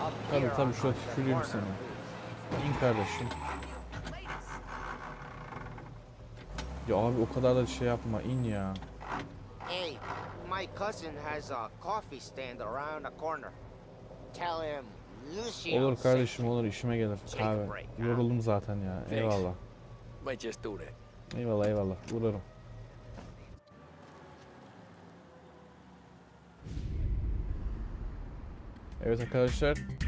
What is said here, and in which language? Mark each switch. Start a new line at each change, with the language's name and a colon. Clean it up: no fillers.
Turkish: Tabi tabi şöyle tüküreyim seni. İn kardeşim. Ya abi o kadar da şey yapma, in ya.
English: Hey, my cousin has a coffee stand around the corner. Tell him Lucio.
Turkish: Olur kardeşim, olur, işime gelir. Kahve. Yoruldum zaten ya. Eyvallah.
English: Might just do that.
Turkish: Eyvallah eyvallah. Uğrarım. Evet arkadaşlar.